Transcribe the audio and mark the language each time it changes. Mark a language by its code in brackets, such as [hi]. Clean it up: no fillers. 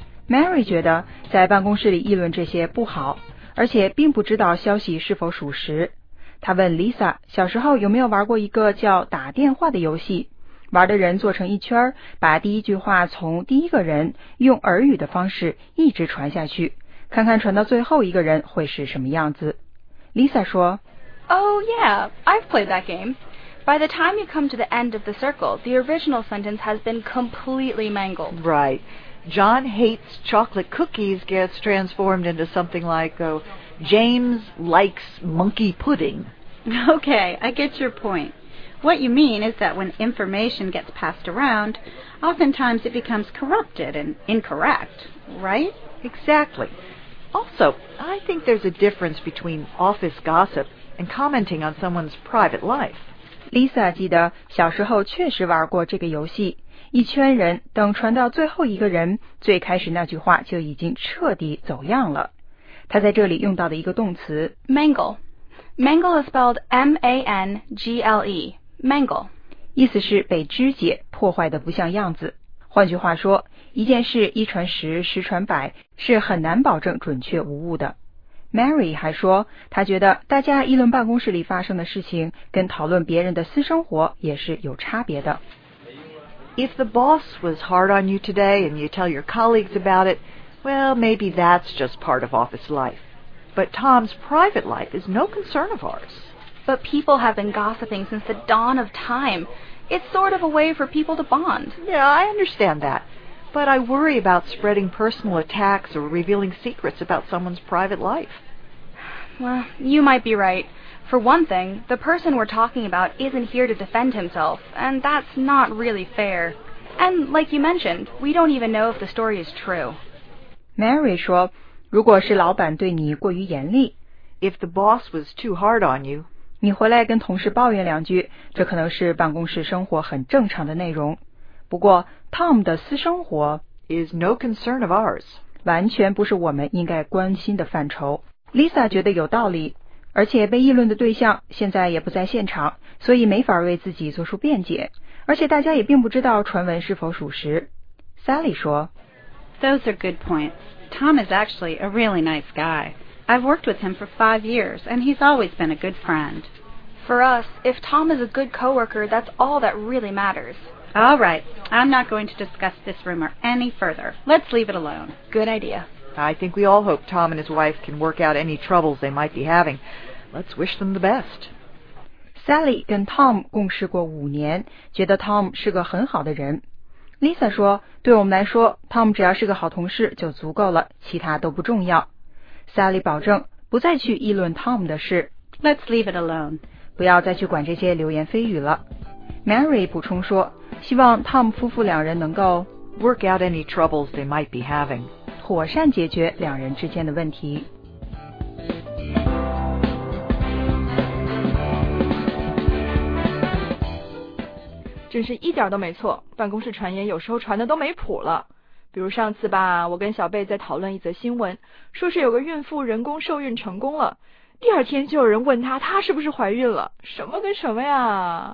[zh] Mary 觉得在办公室里议论这些不好而且并不知道消息是否属实她问 Lisa 小时候有没有玩过一个叫打电话的游戏玩的人坐成一圈把第一句话从第一个人用耳语的方式一直传下去看看传到最后一个人会是什么样子 Lisa 说 [en] Oh yeah, I've played that game. By the time you come to the end of the circle, the original sentence has been completely mangled. Right. John hates chocolate cookies gets transformed into something like, oh, James likes monkey pudding. Okay, I get your point. What you mean is that when information gets passed around, oftentimes it becomes corrupted and incorrect, right? Exactly. Also, I think there's a difference between office gossip and commenting on someone's private life. [zh] Lisa 记得小时候确实玩过这个游戏，一圈人等传到最后一个人，最开始那句话就已经彻底走样了。她在这里用到的一个动词 [en] Mangle. Mangle is spelled M-A-N-G-L-E. Mangle [zh] 意思是被肢解破坏得不像样子换句话说一件事一传十十传百是很难保证准确无误的 Mary 还说她觉得大家议论办公室里发生的事情跟讨论别人的私生活也是有差别的 [en] If the boss was hard on you today and you tell your colleagues about it well maybe that's just part of office life but Tom's private life is no concern of ours But people have been gossiping since the dawn of time. It's sort of a way for people to bond. Yeah, I understand that. But I worry about spreading personal attacks or revealing secrets about someone's private life. Well, you might be right. For one thing, the person we're talking about isn't here to defend himself, and that's not really fair. And like you mentioned, we don't even know if the story is true. [zh] Mary 说，如果是老板对你过于严厉， [en] If the boss was too hard on you, [zh] 你回来跟同事抱怨两句，这可能是办公室生活很正常的内容。不过 ，Tom 的私生活 [en] is no concern of ours， [zh] 完全不是我们应该关心的范畴。Lisa 觉得有道理，而且被议论的对象现在也不在现场，所以没法为自己做出辩解。而且大家也并不知道传闻是否属实。 Sally 说 [en] ，Those are good points. Tom is actually a really nice guy. I've worked with him for 5 years, and he's always been a good friend. For us, if Tom is a good coworker, that's all that really matters. All right, I'm not going to discuss this rumor any further. Let's leave it alone. Good idea. I think we all hope Tom and his wife can work out any troubles they might be having. Let's wish them the best. [zh] Sally 跟 Tom 共事过五年，觉得 Tom 是个很好的人。 Lisa 说，对我们来说 ，Tom 只要是个好同事就足够了，其他都不重要。 Sally 保证不再去议论 Tom 的事。 [en] Let's leave it alone. [zh] 不要再去管这些流言蜚语了。Mary 补充说，希望 Tom 夫妇两人能够 [en] work out any troubles they might be having， [zh] 妥善解决两人之间的问题。真是一点都没错，办公室传言有时候传的都没谱了。比如上次吧，我跟小贝在讨论一则新闻，说是有个孕妇人工受孕成功了，第二天就有人问她是不是怀孕了，什么跟什么呀